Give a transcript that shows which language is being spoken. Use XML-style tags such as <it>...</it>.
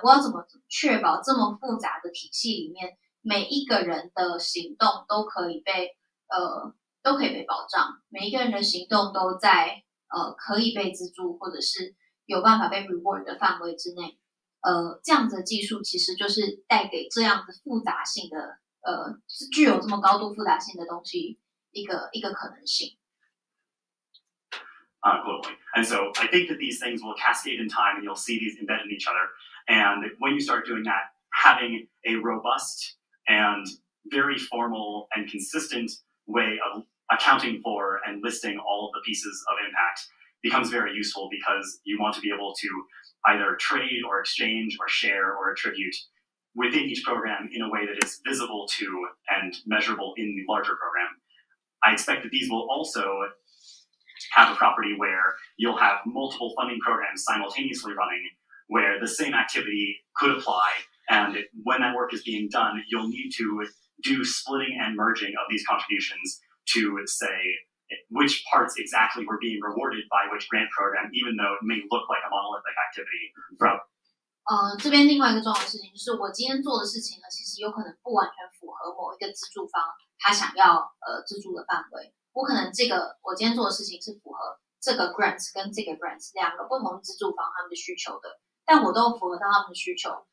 <zh>我要怎么确保这么复杂的体系里面每一个人的行动都可以被保障，每一个人的行动都在可以被资助或者是有办法被 reward 的范围之内。这样子的技术其实就是带给这样子复杂性的具有这么高度复杂性的东西一个可能性。</zh> <en>globally. And so I think that these things will cascade in time and you'll see these embedded in each other. And when you start doing that, having a robust and very formal and consistent way of accounting for and listing all of the pieces of impact becomes very useful because you want to be able to either trade or exchange or share or attribute within each program in a way that is visible to and measurable in the larger program. I expect that these will also have a property where you'll have multiple funding programs simultaneously running where the same activity could apply. And when that work is being done, you'll need to do splitting and merging of these contributions to say which parts exactly were being rewarded by which grant program, even though it may look like a monolithic activity. Bro.</en> <zh>这边另外一个重要的事情就是我今天做的事情呢，其实有可能不完全符合某一个资助方他想要资助的范围。我可能这个我今天做的事情是符合这个 grant 跟这个 grant 两个不同资助方他们的需求的，但我都符合到他们的需求。</zh>